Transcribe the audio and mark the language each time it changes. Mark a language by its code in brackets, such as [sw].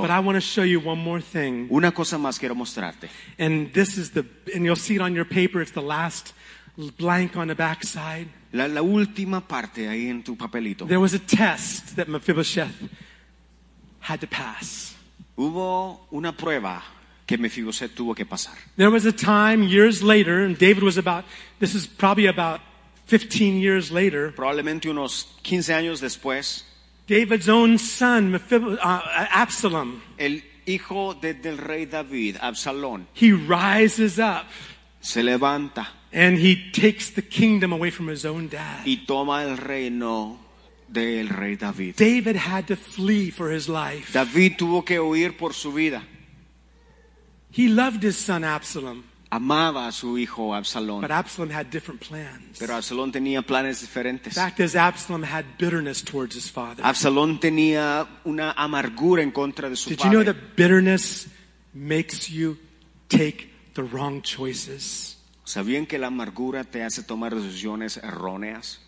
[en] But I want to show you one more thing. [es] Una cosa más quiero mostrarte. [en] And this is the, and you'll see it on your paper. It's the last blank on the backside. [es] La última parte ahí en tu papelito. [en] There was a test that Mephibosheth had to pass. [es] Hubo una prueba que Mephibosheth tuvo que pasar. [en] There was a time years later, and David was about, this is probably about 15 years later. [es] Probablemente unos 15 años después. [en] David's own son, Absalom. [es] El hijo del rey David, Absalón. [en] He rises up. [es] Se levanta. [en] And he takes the kingdom away from his own dad. [es] Y toma el reino del rey David. [en] David had to flee for his life. [es] David tuvo que huir por su vida. [en] He loved his son Absalom. [es] Amaba a su hijo Absalón. [en] But Absalom had different plans. [es] Pero Absalón tenía planes diferentes. [en] The fact is, Absalom had bitterness towards his father. [es] Absalón tenía una amargura en contra de su [en] padre. Did you know that bitterness makes you take the wrong choices? [es] ¿Sabían que la amargura te hace tomar decisiones erróneas?